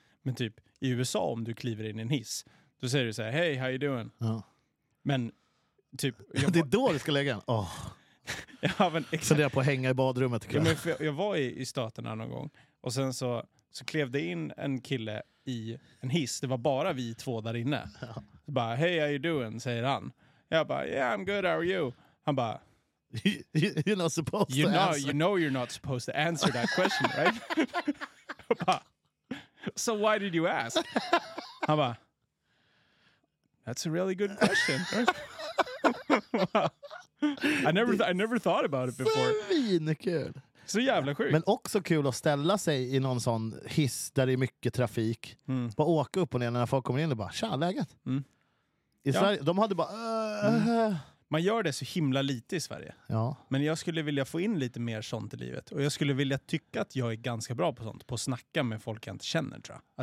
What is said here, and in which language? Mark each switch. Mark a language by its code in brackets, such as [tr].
[sv] Men typ i USA, om du kliver in i en hiss, då säger du så här, [en] hey, how you doing? [sv] Ja. Men typ... Det är då du ska lägga en. Ja, men exakt. Funderar på att hänga i badrummet. Ja, men jag var i Staterna någon gång. Och sen så klevde in en kille i en hiss. Det var bara vi två där inne. Ja. Bara, [en] hey, how you doing? [sv] Säger han. Jag bara, [en] yeah, I'm good, how are you? [sv] Han bara, [en] you're not supposed you to know, answer. You know you're not supposed to answer that question, right? So why did you ask? [sv] Han bara, [en] that's a really good question. I never thought about it before. [sv] Fin, kul. Så jävla sjukt. Men också kul att ställa sig i någon sån hiss där det är mycket trafik. Mm. Bara åka upp och ner när folk kommer in och bara, tja, läget. Mm. I ja. Sverige, de hade bara... Man gör det så himla lite i Sverige. Ja. Men jag skulle vilja få in lite mer sånt i livet. Och jag skulle vilja tycka att jag är ganska bra på sånt. På att snacka med folk jag inte känner, tror jag.